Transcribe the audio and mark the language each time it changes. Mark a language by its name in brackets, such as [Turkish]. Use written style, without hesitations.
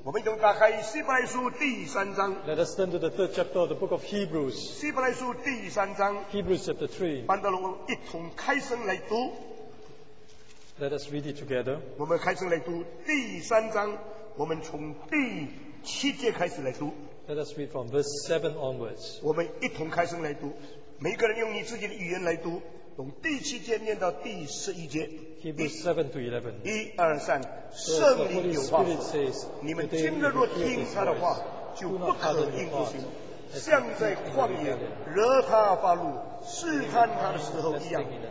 [Chinese] 我们就打开希伯来书第三章。 [English] Let us turn to the third chapter of the book of Hebrews. [Chinese] 希伯来书第三章。 [English] Hebrews chapter 3. [Chinese] 班德龙一同开声来读。 [English] Let us read it together. [Chinese] 我们开声来读第三章，我们从第七节开始来读。 [English] Let us read from verse 7 onwards. [Chinese] 我们一同开声来读，每个人用你自己的语言来读。从第七节念到第十一节 [English] Hebrews 7 to 11, [Chinese] 一二三，圣灵有话说，你们今日若听他的话，就不可应不行，像在旷野惹他发怒试探他的时候一样，